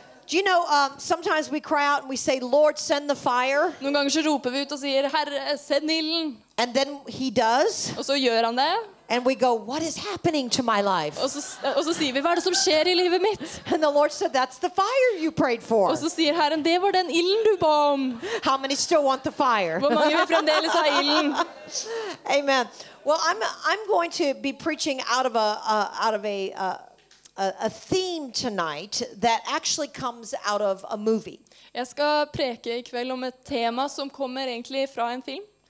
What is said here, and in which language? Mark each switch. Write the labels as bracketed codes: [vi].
[en] Do you know, sometimes we cry out and we say, Lord, send the fire. [no] Noen ganger så roper vi ut og sier, Herre, send ilden. [en] And then he does. [no] Og så gjør han det. [en] And we go, what is happening to my life? [no] Og så sier vi, hva det som skjer I livet mitt? [en] And the Lord said, that's the fire you prayed for. [no] Og så sier Herren, det var den ilden du ba om. [en] How many still want the fire? [no] Hvor mange vil fremdeles ha ilden? [en] Amen. Well, I'm going to be preaching out of a theme tonight that actually comes out of a movie. [no] Jeg skal preke I kveld om et tema som kommer egentlig fra en film.